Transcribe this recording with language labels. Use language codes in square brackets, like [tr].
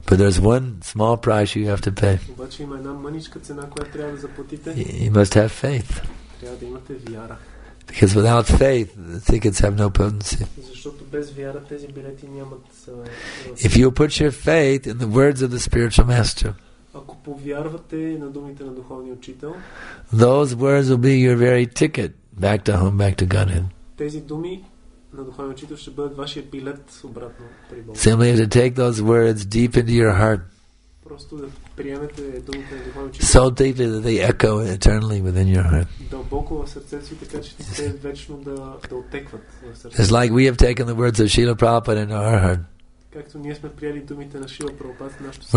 [en] But there's one small price you have to pay. [bg] Обаче има една мъничка цена, която трябва да заплатите. [en] You must have faith. [bg] Трябва да имате вяра. [en] Because without faith, the tickets have no potency. [bg] Защото без вяра тези билети нямат. [en] If you put your faith in the words of the spiritual master, [bg] ако повярвате на думите на духовния учител, [en] those words will be your very ticket back to home, back to Godhead. [bg] Тези думи на духовния учител ще бъдат вашия билет обратно при Бога. [en] Simply to take those words deep into your heart. [bg] Просто да приемете думите на духовния учител. [en] So deeply that they echo eternally within your heart. [bg] Дълбоко в сърцето си, така че те вечно да отекват в сърцето. [en] It's like we have taken the words of Srila Prabhupada into our heart. [bg] Както ние сме приели думите на Шрила Прабхупада в нашето сърце.